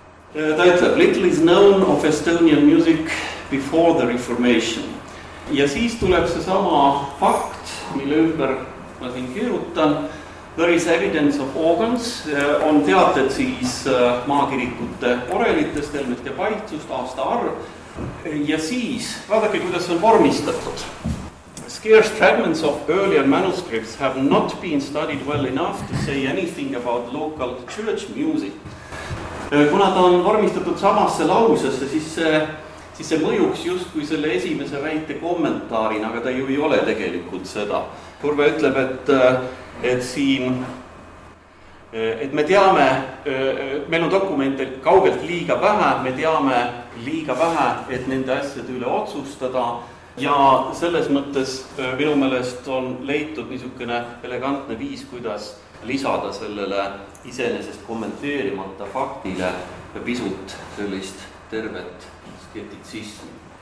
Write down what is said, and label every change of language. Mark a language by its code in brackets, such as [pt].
[et] Ta ütleb, [en] little is known of Estonian music before the Reformation. [et] Ja siis tuleb see sama fakt, mille ümber ma siin kirjutan. [en] There is evidence of organs, [et] on teated siis maakirikute orelitest, elmest ja paitsust, aasta arv. Ja siis, vaadake, kuidas on vormistatud. [en] Scarce fragments of earlier manuscripts have not been studied well enough to say anything about local church music. [et] Kuna ta on vormistatud samasse lausesse, siis see mõjuks just kui selle esimese väite kommentaarin, aga ta ju ei ole tegelikult seda. Urve ütleb, et me teame, meil on dokumente kaugelt liiga vähe, me teame liiga vähe, et nende asjad üle otsustada ja selles mõttes minu mõelest on leitud niisugune elegantne viis, kuidas lisada sellele isenesest kommenteerimata faktile pisut sellist tervet skeptitsismi.